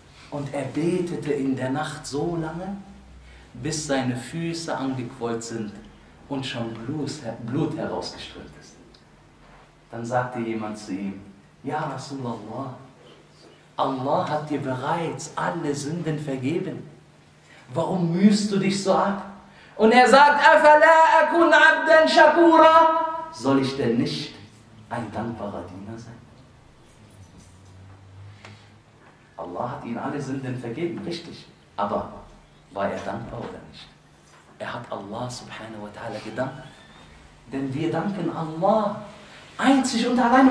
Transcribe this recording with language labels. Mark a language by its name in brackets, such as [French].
[German] Und er betete in der Nacht so lange, bis seine Füße angequollt sind und schon Blut herausgeströmt ist. Dann sagte jemand zu ihm, ja Rasulallah, Allah hat dir bereits alle Sünden vergeben. Warum mühst du dich so ab? Und er sagt, [Arabic] أَفَلَا أَكُنْ عَبْدًا شَكُورًا. [German] Soll ich denn nicht ein dankbarer Diener sein? Allah hat ihm alle Sünden vergeben, richtig. Aber war er dankbar oder nicht? Er hat Allah subhanahu wa ta'ala gedankt. Denn wir danken Allah einzig und allein.